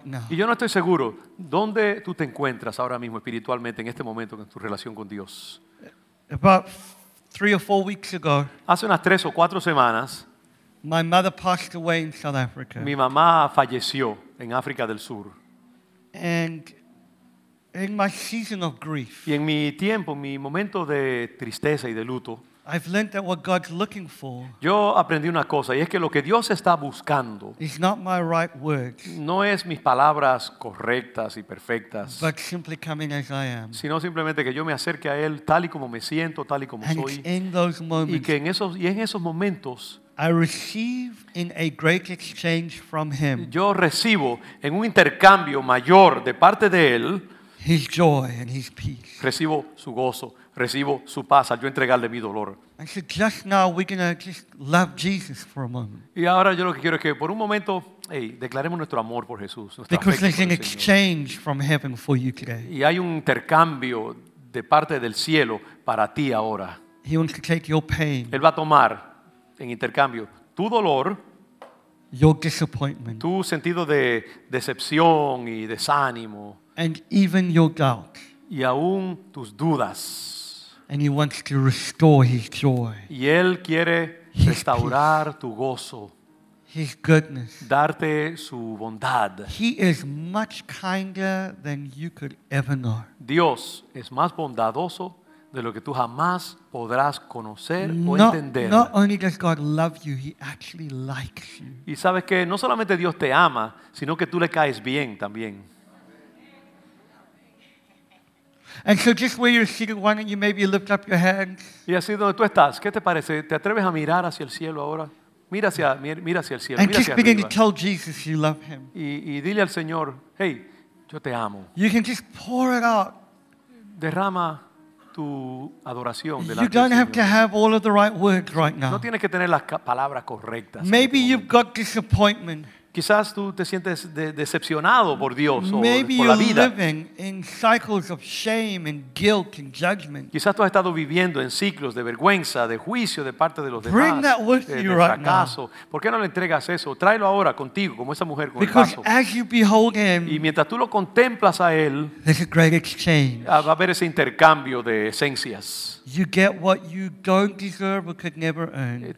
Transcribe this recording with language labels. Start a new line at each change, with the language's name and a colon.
Spanish: Y yo no estoy seguro dónde tú te encuentras ahora mismo espiritualmente en este momento en tu relación con Dios.
English: About 3 or 4 weeks ago,
Spanish: hace unas 3 o 4 semanas,
English: my mother passed away in South Africa.
Spanish: Mi mamá falleció en África del Sur.
English: And in my season of grief,
Spanish: y en mi tiempo, mi momento de tristeza y de luto,
English: I've learned that what God's looking for.
Spanish: Yo aprendí una cosa, y es que lo que Dios está buscando.
English: Is not my right words.
Spanish: No es mis palabras correctas y perfectas.
English: But simply coming as I am.
Spanish: Sino simplemente que yo me acerque a él tal y como me siento, tal y como
English: and
Spanish: soy.
English: In those moments.
Spanish: Y en esos momentos.
English: I receive in a great exchange from him.
Spanish: Yo recibo en un intercambio mayor de parte de él.
English: His joy and his peace.
Spanish: Recibo su gozo. Recibo su paz al yo entregarle mi dolor.
English: And so just now we're gonna just love Jesus for a moment.
Spanish: Y ahora yo lo que quiero es que por un momento, hey, declaremos nuestro amor por Jesús.
English: Because there's an exchange from heaven for you today.
Spanish: Y hay un intercambio de parte del cielo para ti ahora.
English: He wants to take your pain.
Spanish: Él va a tomar en intercambio tu dolor,
English: your disappointment,
Spanish: tu sentido de decepción y desánimo,
English: and even your doubt.
Spanish: Y aún tus dudas.
English: And he wants to restore his joy.
Spanish: Y él quiere restaurar tu gozo.
English: His goodness.
Spanish: Darte su bondad.
English: He is much kinder than you could ever know.
Spanish: Dios es más bondadoso de lo que tú jamás podrás conocer o entender.
English: Not only does God love you, he actually likes you.
Spanish: Y sabes que no solamente Dios te ama, sino que tú le caes bien también.
English: And so just where you're seated, why don't you maybe lift up your hands?
Spanish: Y así donde tú estás, ¿qué te parece? ¿Te atreves a mirar hacia el cielo ahora? Mira hacia el cielo.
English: And
Spanish: mira
English: just
Spanish: hacia
English: begin
Spanish: arriba.
English: To tell Jesus you love him.
Spanish: Y dile al Señor, hey, yo te amo.
English: You can just pour it out.
Spanish: Derrama tu adoración delante.
English: You don't have to have all of the right words right now.
Spanish: No tienes que tener las palabras correctas.
English: Maybe you've got disappointment.
Spanish: Quizás tú te sientes decepcionado por Dios o
English: maybe
Spanish: por la vida.
English: Living in cycles of shame and guilt and judgment.
Spanish: Quizás tú has estado viviendo en ciclos de vergüenza, de juicio de parte de los demás.
English: Bring that with
Spanish: de
English: you
Spanish: fracaso.
English: Right now.
Spanish: ¿Por qué no le entregas eso? Tráelo ahora contigo, como esa mujer con
English: because
Spanish: el vaso.
English: As you behold him,
Spanish: y mientras tú lo contemplas a él,
English: there's a great exchange.
Spanish: Va a haber ese intercambio de esencias.
English: You get what you don't deserve or could never earn.